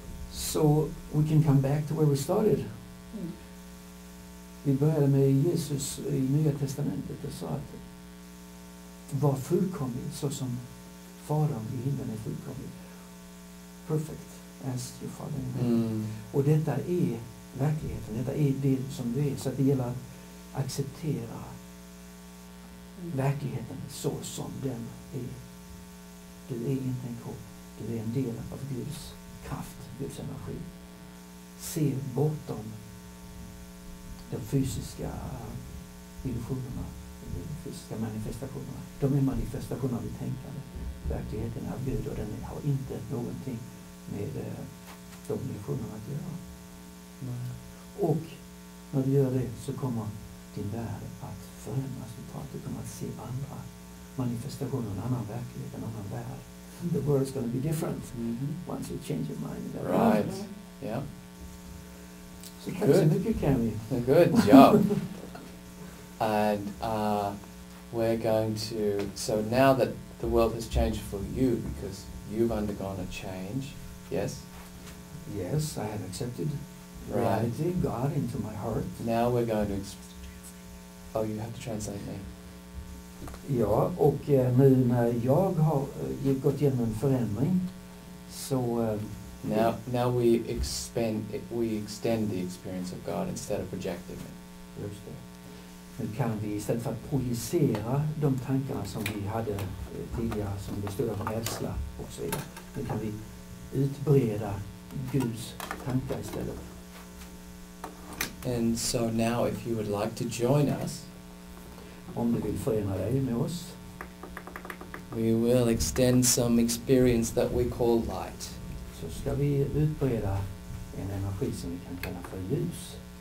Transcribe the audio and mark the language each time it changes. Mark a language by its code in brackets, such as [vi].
[en] So we can come back to where we started. [sv] Vi började med Jesus i Nya Testamentet och sa att var fullkomlig så som Fadern i himlen är fullkomlig. [en] Perfect as your Father. [sv] Och detta är verkligheten, detta är det som du är. Så att det gäller att acceptera verkligheten så som den är. Du är inte en kropp, du är en del av Guds kraft, Guds energi. Se bortom de fysiska illusionerna, de fysiska manifestationerna. De är manifestationer av tänkande. Verkligheten är Gud och den har inte någonting med de illusionerna att göra. Nej. Och när du gör det så kommer din värld att förändras totalt. Du kommer att se andra manifestationer, en annan verklighet, en annan värld. [en] The world is going to be different once you change your mind. Right. Right. Yeah. So good. Thank you, Cammy. Good job. And we're going to... So now that the world has changed for you because you've undergone a change, yes? Yes, I have accepted reality, God, into my heart. Now we're going to... Oh, you have to translate me. [sv] Ja, och nu när jag har gått igenom en förändring så... [en] Now we extend the experience of God instead of projecting it. [sv] Just det. Nu kan vi istället för att projicera de tankarna som vi hade tidigare som bestod av rädsla och så vidare. Nu kan vi utbreda Guds tankar istället. [en] And so now if you would like to join us, [sv] om du vill förena dig med oss, [en] we will extend some experience that we call light. [sv] Så ska vi utbreda en energi som vi kan kalla för ljus.